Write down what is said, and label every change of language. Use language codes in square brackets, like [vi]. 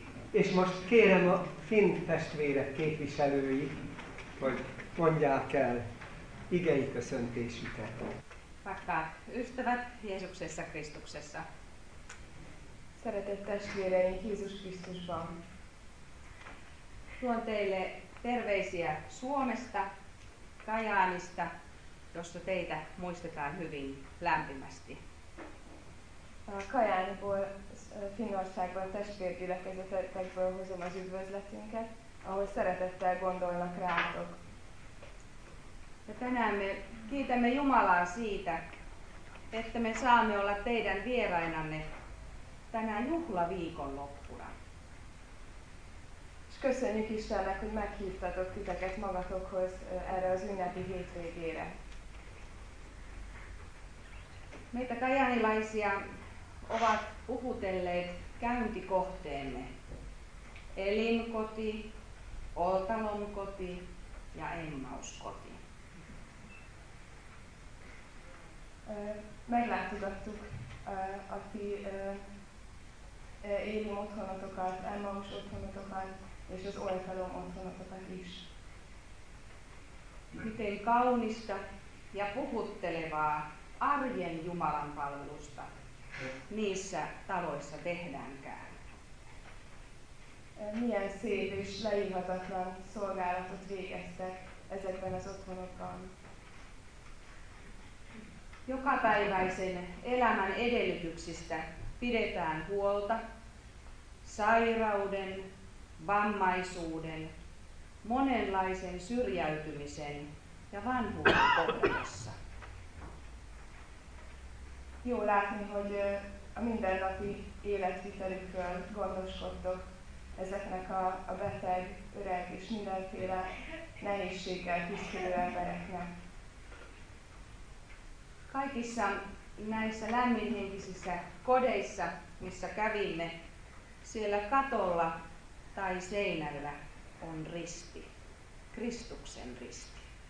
[hu] És most kérem a finn testvérek képviselői, hogy mondják el igei köszöntésüket. [fi] Pakka, ystävät Jeesuksessa Kristuksessa. [hu] Szeretett testvéreim Jézus Krisztusban. [fi] Tuon teille terveisiä Suomesta, Kajaanista, jossa teitä muistetaan hyvin lämpimästi. [hu] Kajaaniból, Finnországból, testvérgyülekezetekből hozom az üdvözletünket, ahol szeretettel gondolnak rátok. [fi] Ja tänään me kiitämme Jumalaa siitä, että me saamme olla teidän vierainanne tänään juhlaviikon loppuna. [hu] És köszönjük Istennek, hogy meghívtatok titeket magatokhoz erre az ünnepi hétvégére. [fi] Meitä kajaanilaisia ovat puhutelleet käyntikohteemme. Elinkoti, Oltalonkoti ja Emmauskoti. [hu] Meglátogattuk a ti Élim otthonatokat, Emmaus otthonatokat és az Oltalom otthonatokat is. [fi] Miten kaunista ja puhuttelevaa arjen Jumalan palvelusta niissä taloissa tehdäänkään. [hu] Milyen szép és leírhatatlan szolgálatot végeztek ezekben az otthonokban. [fi] Jokapäiväisen elämän edellytyksistä pidetään huolta sairauden, vammaisuuden, monenlaisen syrjäytymisen ja vanhuuden kohdassa. [hu] Jó látni, hogy a mindennapi életvitelükről gondoskodtok ezeknek a beteg, öreg és mindenféle nehézséggel küzdő embereknek. [fi] Kaikissa näissä lämminhenkisissä kodeissa, missä kävimme, siellä katolla tai seinällä on risti, Kristuksen risti.